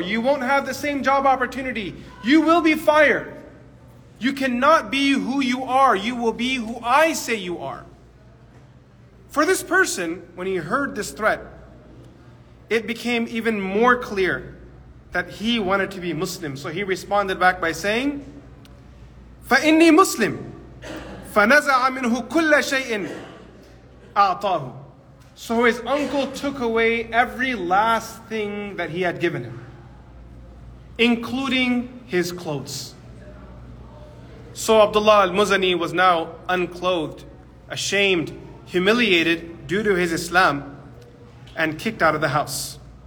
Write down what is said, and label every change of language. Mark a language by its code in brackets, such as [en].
[en] You won't have the same job opportunity. You will be fired. You cannot be who you are. You will be who I say you are. For this person, when he heard this threat, it became even more clear that he wanted to be Muslim. So he responded back by saying, [ar] فَإِنِّي مُسْلِمْ فَنَزَعَ مِنْهُ كُلَّ شَيْءٍ أَعْطَاهُ. [en] So his uncle took away every last thing that he had given him, including his clothes. So Abdullah al-Muzani was now unclothed, ashamed, humiliated due to his Islam, and kicked out of the house.